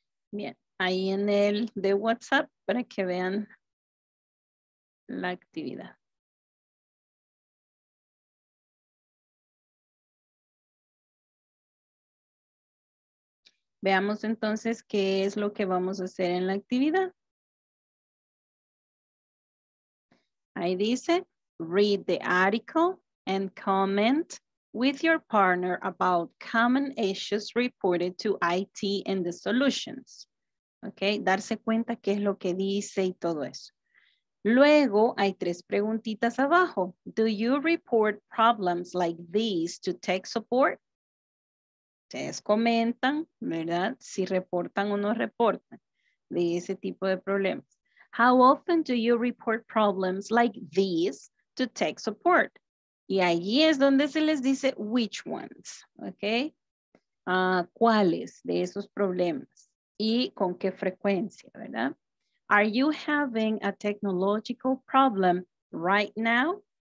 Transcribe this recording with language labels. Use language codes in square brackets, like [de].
[es] Bien, ahí en el de WhatsApp para que vean la actividad. Veamos entonces qué es lo que vamos a hacer en la actividad. Ahí dice, [en] read the article and comment with your partner about common issues reported to IT and the solutions. [es] Okay, darse cuenta qué es lo que dice y todo eso. Luego hay tres preguntitas abajo. [en] Do you report problems like these to tech support? [es] Ustedes comentan, ¿verdad? Si reportan o no reportan de ese tipo de problemas. [en] How often do you report problems like these to tech support? [es] Y allí es donde se les dice [en] which ones, [es] okay? ¿Cuáles de esos problemas? Y con qué frecuencia, ¿verdad? [en] Are you having a technological problem right now?